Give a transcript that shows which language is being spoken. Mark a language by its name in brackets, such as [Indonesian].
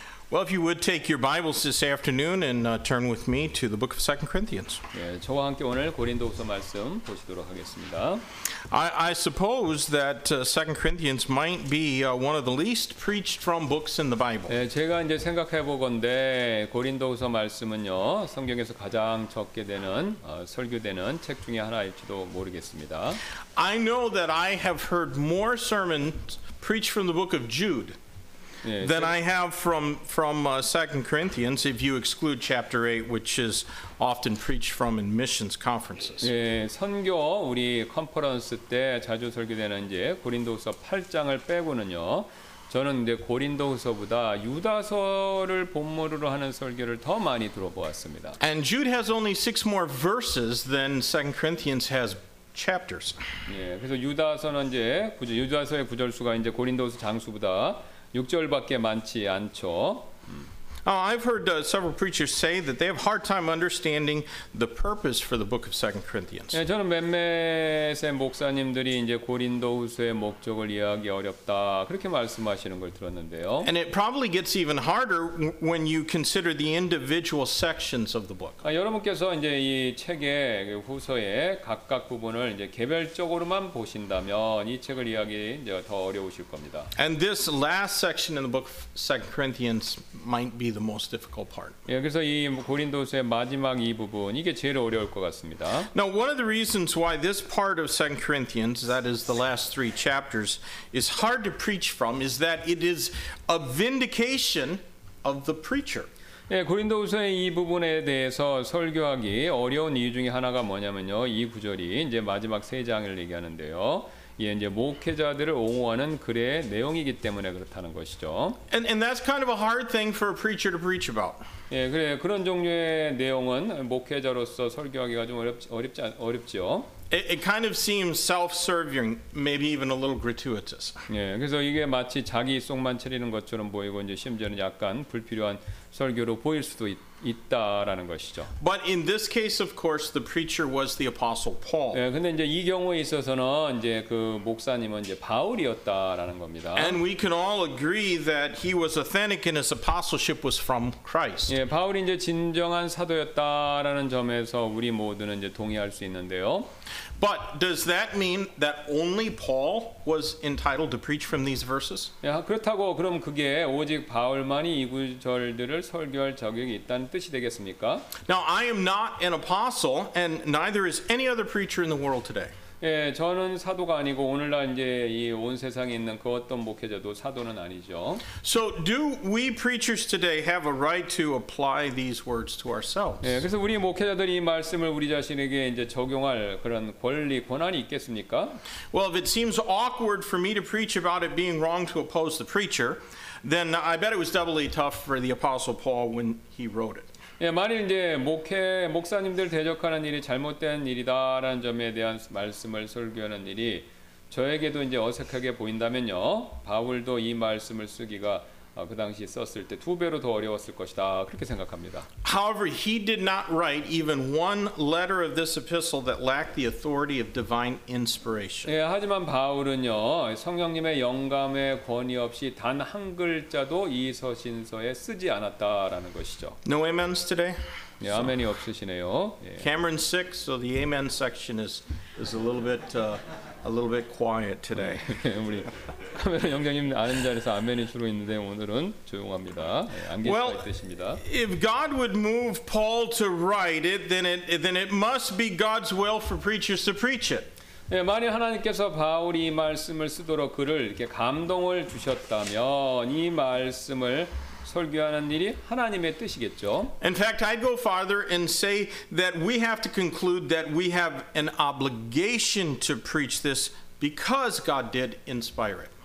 [English] Well, if you would take your Bibles this afternoon and turn with me to the book of 2 Corinthians. [Korean] 예, 저와 함께 오늘 고린도후서 말씀 보시도록 하겠습니다. [English] I suppose that 2 Corinthians might be one of the least preached from books in the Bible. [Korean] 예, 제가 이제 생각해 보건데 고린도후서 말씀은요 성경에서 가장 적게 되는 설교되는 책 중에 하나일지도 모르겠습니다. [English] I know that I have heard more sermons preached from the book of Jude. Than I have from 2 Corinthians, if you exclude chapter 8, which is often preached from in missions conferences. [Korean] 예, 선교 우리 컨퍼런스 때 자주 설교되는 이제 고린도후서 8장을 빼고는요, 저는 이제 고린도후서보다 유다서를 본문으로 하는 설교를 더 많이 들어보았습니다. [English] And Jude has only 6 more verses than 2 Corinthians has. Chapters. [Korean] 예, 그래서 유다서는 이제 유다서의 구절 수가 이제 고린도후서 장수보다 6절밖에 많지 않죠. [English] I've heard several preachers say that they have hard time understanding the purpose for the book of 2 Corinthians. [Korean] 예, 저는 몇몇의 목사님들이 이제 고린도후서의 목적을 이해하기 어렵다 그렇게 말씀하시는 걸 들었는데요. [English] And it probably gets even harder when you consider the individual sections of the book. [Korean] 아, 여러분께서 이제 이 책의 후서의 각각 부분을 이제 개별적으로만 보신다면 이 책을 이해하기 이제 더 어려우실 겁니다. [English] And this last section in the book of 2 Corinthians might be the most difficult part. [Korean] 예, 그래서 이 고린도서의 마지막 이 부분 이게 제일 어려울 것 같습니다. [English] Now, one of the reasons why this part of 2 Corinthians, that is the last three chapters, is hard to preach from is that it is a vindication of the preacher. [Korean] 예, 고린도서의 이 부분에 대해서 설교하기 어려운 이유 중에 하나가 뭐냐면요. 이 구절이 이제 마지막 세 장을 얘기하는데요. 예, 이제 목회자들을 옹호하는 글의 내용이기 때문에 그렇다는 것이죠. [English] And that's kind of a hard thing for a preacher to preach about. [Korean] 예, 그래 그런 종류의 내용은 목회자로서 설교하기가 좀 어렵지요. [English] It kind of seems self-serving, maybe even a little gratuitous. [Korean] 예, 그래서 이게 마치 자기 속만 차리는 것처럼 보이고 이제 심지어는 약간 불필요한 설교로 보일 수도 있다라는 것이죠. [English] But in this case, of course, the preacher was the Apostle Paul. [Korean] 예, 근데 이제 이 경우에 있어서는 이제 그 목사님은 이제 바울이었다라는 겁니다. [English] And we can all agree that he was authentic and his apostleship was from Christ. [Korean] 예, 바울이 이제 진정한 사도였다라는 점에서 우리 모두는 이제 동의할 수 있는데요. [English] But does that mean that only Paul was entitled to preach from these verses? [Korean] 야, 그렇다고 그럼 그게 오직 바울만이 이 구절들을 설교할 자격이 있다는 뜻이 되겠습니까? [English] Now I am not an apostle and neither is any other preacher in the world today. [Korean] 예, 저는 사도가 아니고 오늘날 이제 이 온 세상에 있는 그 어떤 목회자도 사도는 아니죠. [English] So do we preachers today have a right to apply these words to ourselves? [Korean] 예, 그래서 우리 목회자들이 이 말씀을 우리 자신에게 이제 적용할 그런 권리 권한이 있겠습니까? [English] Well, if it seems awkward for me to preach about it being wrong to oppose the preacher, then I bet it was doubly tough for the Apostle Paul when he wrote it. [Korean] 예, 만일 이제 목사님들 대적하는 일이 잘못된 일이다라는 점에 대한 말씀을 설교하는 일이 저에게도 이제 어색하게 보인다면요, 바울도 이 말씀을 쓰기가 그 당시 썼을 때 두 배로 더 어려웠을 것이다 그렇게 생각합니다. [English] However, he did not write even one letter of this epistle that lacked the authority of divine inspiration. [Korean] 예, 하지만 바울은요 성령님의 영감의 권위 없이 단 한 글자도 이 서신서에 쓰지 않았다라는 것이죠. [English] No amens today. [Korean] 예, 아멘이 없으시네요. 예. [English] Cameron 6, so the amen section is a little bit quiet today. [Korean] 우리 카메론 영장님 아는 자리에서 아멘이 주로 있는데 오늘은 조용합니다. 안 계실 뜻입니다. [English] Well, if God would move Paul to write it, then it must be God's will for preachers to preach it. [Korean] 예, 만약 하나님께서 바울이 이 말씀을 쓰도록 그를 이렇게 감동을 주셨다면 이 말씀을 설교하는 일이 하나님의 뜻이겠죠. [English] In fact, I'd go farther and say that we have to conclude that we have an obligation to preach this because God did inspire it.